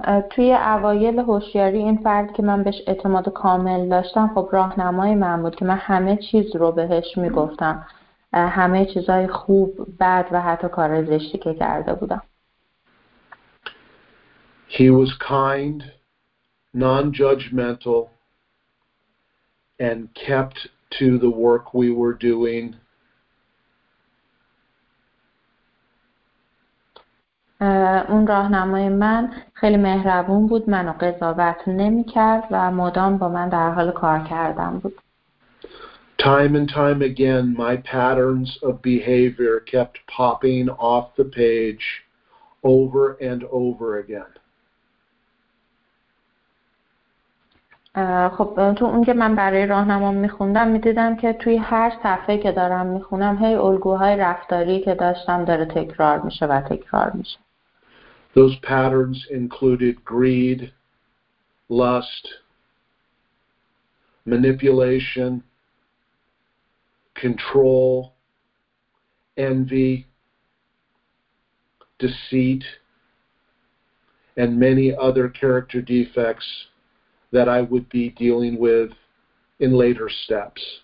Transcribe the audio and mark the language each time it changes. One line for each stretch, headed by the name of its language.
Persian: توی اوایل هوشیاری این فرد که من بهش اعتماد کامل داشتم، خب راهنمای من بود که من همه چیز رو بهش میگفتم، همه چیزهای خوب، بد و حتی کار زشتی که کرده بودم.
English: He was kind, non-judgmental and kept to the work we were doing.
Persian: اون راهنمای من خیلی مهربون بود، منو قضاوت نمی کرد و مدام با من در حال کار کردن بود.
English: Time and time again my patterns of behavior kept popping off the page over and over again.
Persian: خب تو اون که من برای راهنمام میخوندم میدیدم که توی هر صفحه که دارم میخونم الگوهای رفتاری که داشتم داره تکرار میشه و تکرار میشه.
English: Those patterns included greed, lust, manipulation, control, envy, deceit, and many other character defects that I would be dealing with in later steps.